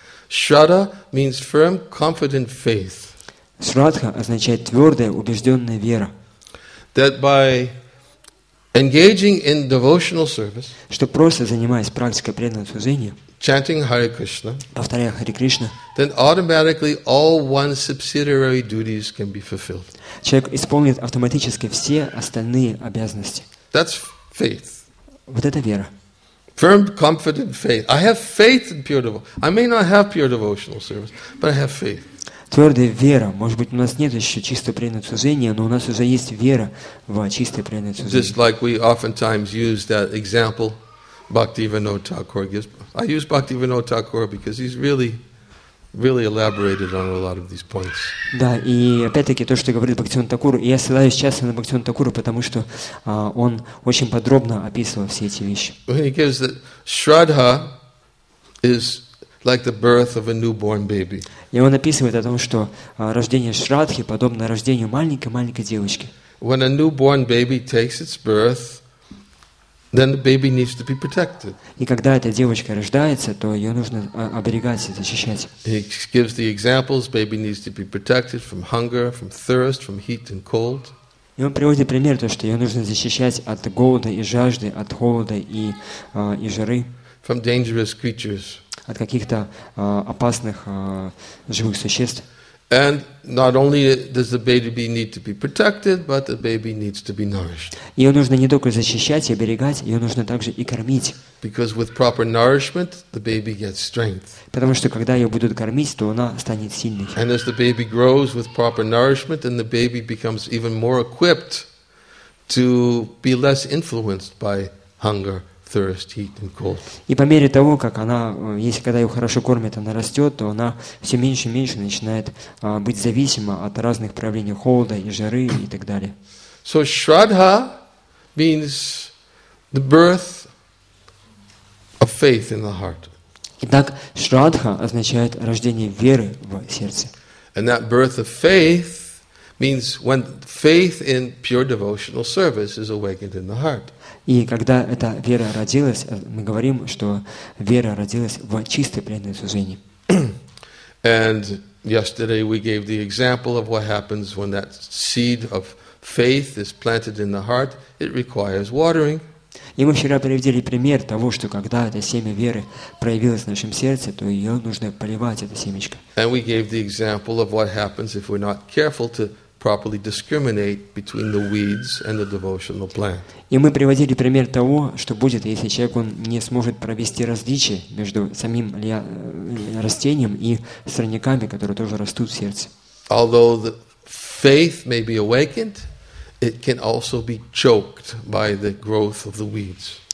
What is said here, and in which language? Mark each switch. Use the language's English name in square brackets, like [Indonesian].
[English] Shraddha means firm, confident faith. [Russian] Shraddha означает твердая, убежденная вера. [English] That by engaging in devotional service, [Russian] что просто занимаясь практикой преданного служения, [English] chanting Hare Krishna, [Russian] повторяя Hare Krishna, [English] then automatically all one's subsidiary duties can be fulfilled. [Russian] Человек исполнит автоматически все остальные обязанности. [English] That's faith. [Russian] Вот это вера. [English] Firm, confident faith. I have faith in pure devotion. I may not have pure devotional service, but I have faith. [Russian] Твердая вера. Может быть, у нас нет еще чистого преданного служения, но у нас уже есть вера в чистое преданное служение. [English] Just like we oftentimes use that example, Bhaktivinoda Thakura gives. I use Bhaktivinoda Thakura because he's really, really elaborated on a lot of these points. [Russian] Да, и опять-таки то, что говорит Бхактивинода Такура, я ссылаюсь часто на Бхактивинода Такуру, потому что он очень подробно описывал все эти вещи. [English] When he gives that Shraddha is like the birth of a newborn baby. [Russian] И он описывает о том, что рождение Шрадхи подобно рождению маленькой-маленькой девочки. [English] When a newborn baby takes its birth, then the baby needs to be protected. [Russian] И когда эта девочка рождается, то ее нужно оберегать, защищать. [English] He gives the examples: baby needs to be protected from hunger, from thirst, from heat and cold. [Russian] И он приводит пример то, что ее нужно защищать от голода и жажды, от холода и жары. [English] From dangerous creatures. [Russian] От каких-то опасных живых существ. [English] And not only does the baby need to be protected, but the baby needs to be nourished. [Russian] Ее нужно не только защищать и оберегать, ее нужно также и кормить. [English] Because with proper nourishment, the baby gets strength. [Russian] Потому что когда ее будут кормить, то она станет сильной. [English] And as the baby grows with proper nourishment, then the baby becomes even more equipped to be less influenced by hunger, thirst, heat and cold. [Russian] И по мере того, как она, если когда ее хорошо кормят, она растет, то она все меньше и меньше начинает быть зависима от разных проявлений холода и жары и так далее. [English] So Shraddha means the birth of faith in the heart. [Russian] Итак, Шрадха означает рождение веры в сердце. [English] And that birth of faith means when faith in pure devotional service is awakened in the heart. [Russian] И когда эта вера родилась, мы говорим, что вера родилась в чистой преданной служении. [English] And yesterday we gave the example of what happens when that seed of faith is planted in the heart. It requires watering. [Russian] И мы вчера приводили пример того, что когда это семя веры проявилось в нашем сердце, то ее нужно поливать, это семечко. [English] And we gave the example of what happens if we're not careful to properly discriminate between the weeds and the devotional plant. [Russian] И мы приводили пример того, что будет, если человек он не сможет провести различие между самим растением и сорняками, которые тоже растут в сердце. [English] Although the faith may be awakened, it can also be choked by the growth of the weeds.